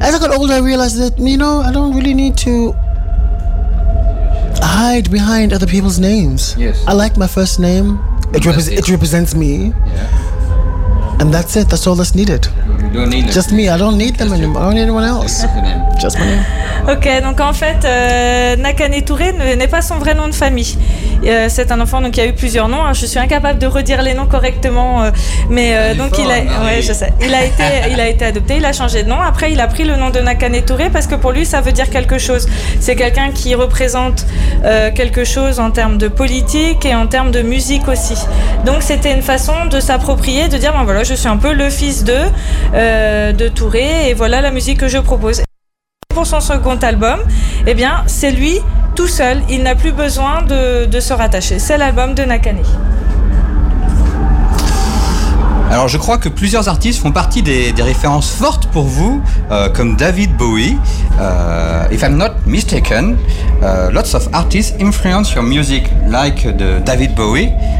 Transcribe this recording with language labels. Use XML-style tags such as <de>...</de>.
<en>As I got older, I realized that, you know, I don't really need to hide behind other people's names. Yes. I like my first name. It represents me. Yeah. And that's it. That's all that's needed. Just me, I don't need them anymore, I don't need anyone else. Just my name.</en> <fr>Ok, donc en fait, Nakane Touré n'est pas son vrai nom de famille. C'est un enfant qui a eu plusieurs noms. Je suis incapable de redire les noms correctement, mais donc il a été adopté, il a changé de nom. Après, il a pris le nom de Nakane Touré parce que pour lui, ça veut dire quelque chose. C'est quelqu'un qui représente quelque chose en termes de politique et en termes de musique aussi. Donc c'était une façon de s'approprier, de dire ben voilà, je suis un peu le fils de Touré et voilà la musique que je propose. Pour son second album, eh bien, c'est lui tout seul. Il n'a plus besoin de se rattacher. C'est l'album de Nakane. Alors, je crois que plusieurs artistes font partie des références fortes pour vous, comme David Bowie.</fr> <en>If I'm not mistaken, lots of artists influence your music, like the David Bowie.</en>